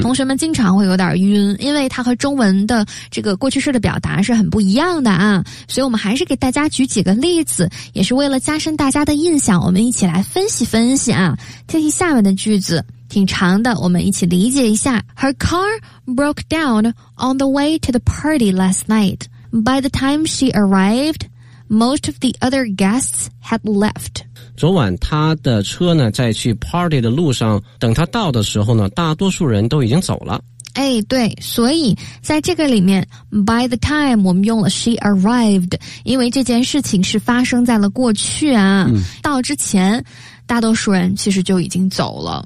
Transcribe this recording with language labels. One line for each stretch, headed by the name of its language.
Chinese: 同学们经常会有点晕，因为它和中文的这个过去式的表达是很不一样的啊，所以我们还是给大家举几个例子，也是为了加深大家的印象，我们一起来分析分析啊。听听下面的句子，挺长的，我们一起理解一下。
English: Her car broke down on the way to the party last night. By the time she arrived, most of the other guests had left.
Chinese: 昨晚她的车呢在去 party 的路上，等她到的时候呢大多数人都已经走了。哎，对，所以在这个里面 by the time 我们用了
English: she arrived，
Chinese: 因为这件事情是发生在了过去啊，嗯，到之前大多数人其实就已经走了，